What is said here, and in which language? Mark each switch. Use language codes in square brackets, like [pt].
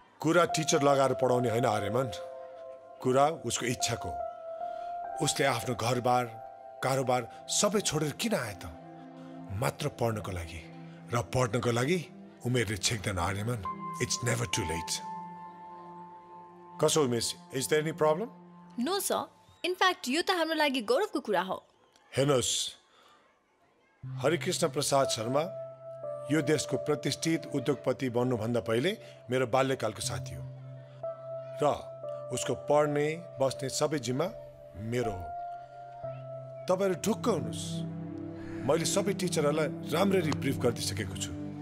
[ne] कुरा टिचर लगाएर पढाउने होइन आर्यमन कुरा उसको इच्छाको उसले आफ्नो घरबार कारोबार सबै छोडेर किन आए त मात्र पढ्नको लागि र पढ्नको लागि उमेरले छेक्दैन Aryaman [en] it's never too late कसो miss is there any problem no sir in fact [ne] यो त हाम्रो लागि गौरवको कुरा हो हेर्नुहोस् हरिकृष्ण प्रसाद शर्मा यो देशको प्रतिष्ठित उद्योगपति बन्नुभन्दा पहिले मेरो बाल्यकालको साथी हो र उसको पढ्ने बस्ने सबै जिम्मा मेरो हो तपाईँहरू ढुक्क हुनुहोस् मैले सबै टिचरहरूलाई राम्ररी ब्रिफ गरिदिइसकेको छु